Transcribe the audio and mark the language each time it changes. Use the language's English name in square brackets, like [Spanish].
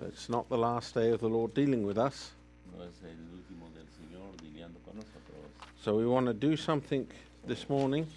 [English] But it's not the last day of the Lord dealing with us. [Spanish] No es el último del Señor lidiando con nosotros. [English] So we want to do something this morning.